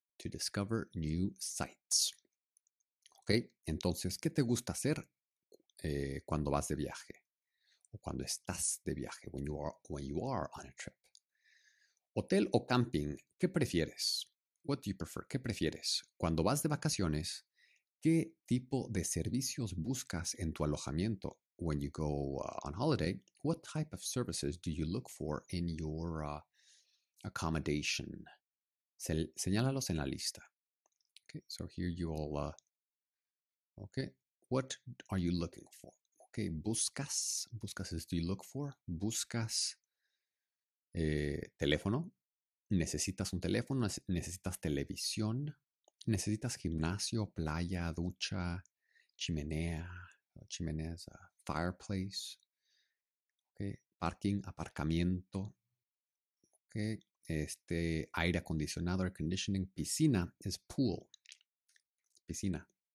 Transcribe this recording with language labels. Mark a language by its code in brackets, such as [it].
[en] To discover new sites. [es] Ok, entonces, ¿qué te gusta hacer cuando vas de viaje? O cuando estás de viaje, [en] when you are on a trip. [es] ¿Hotel o camping? ¿Qué prefieres? [en] What do you prefer? [es] ¿Qué prefieres? Cuando vas de vacaciones, ¿qué tipo de servicios buscas en tu alojamiento? [en] when you go on holiday, what type of services do you look for in your accommodation? [es] Señálalos en la lista. [en] Okay, so here you all, what are you looking for? Okay, buscas, buscas is do you look for? [es] Buscas teléfono, necesitas un teléfono, necesitas televisión, necesitas gimnasio, playa, ducha, chimenea, chimeneas, fireplace, okay, parking, aparcamiento, okay, aire acondicionado, air conditioning, piscina es pool, piscina.